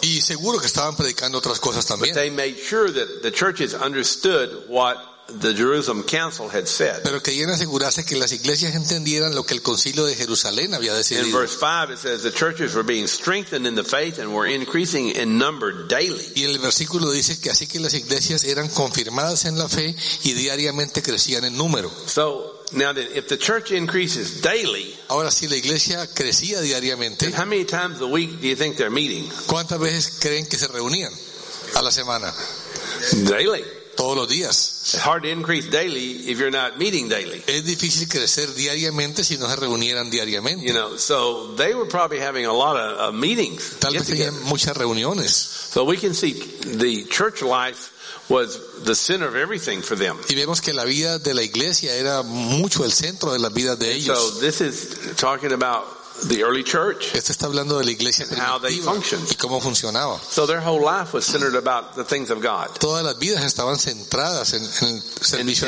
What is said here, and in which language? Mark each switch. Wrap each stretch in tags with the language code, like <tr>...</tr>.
<es>Y seguro que estaban predicando otras cosas también.</es> <en>But they made sure that the churches understood what the Jerusalem Council had said.</en> <es>Pero querían asegurarse que las iglesias entendieran lo que el Concilio de Jerusalén había decidido.</es> <en>In verse 5 it says the churches were being strengthened in the faith and were increasing in number daily.</en> <es>Y en el versículo dice que así que las iglesias eran confirmadas en la fe y diariamente crecían en número.</es> <en>So now then, if the church increases daily,</en> <es>ahora si la iglesia crecía diariamente,</es> <en>how many times a week do you think they're meeting?</en> <es>¿Cuántas veces creen que se reunían a la semana?</es> <en>Daily.</en> <es>Todos los días.</es> <en>It's hard to increase daily if you're not meeting daily.</en> <es>Es difícil crecer diariamente si no se reunieran diariamente.</es> <en>You know, so they were probably having a lot of meetings.</en> <es>Tal vez tenían muchas reuniones.</es> <en>So we can see the church life was the center of everything for them.</en> <es>Y vemos que la vida de la iglesia era mucho el centro de la vida de ellos.</es> <en>So this is talking about the early church.</en> <es>Esto está hablando de la iglesia primitiva y cómo funcionaba.</es> <en>So their whole life was centered about the things of God.</en> <es>Todas las vidas estaban centradas en el servicio</es>